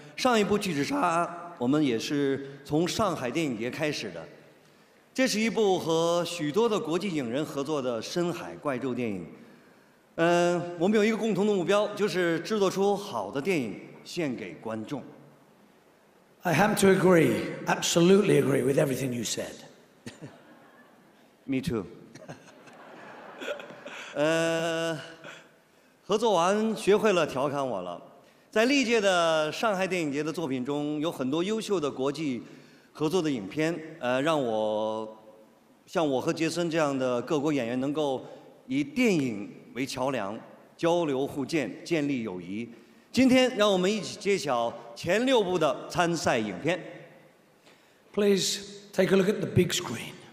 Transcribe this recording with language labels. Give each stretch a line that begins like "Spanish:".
Chinese: 上一部《巨齿鲨》我们也是从上海电影节开始的。这是一部和许多的国际影人合作的深海怪兽电影。我们有一个共同的目标，就是制作出好的电影献给观众。
English: I have to agree, absolutely agree with everything you said. Me too.
Chinese: 合作完学会了调侃我了。在历届的上海电影节的作品中，有很多优秀的国际合作的影片，让我像我和杰森这样的各国演员能够以电影为桥梁，交流互鉴，建立友谊。今天让我们一起揭晓前6部的参赛影片。
English: Please take a look at the big screen.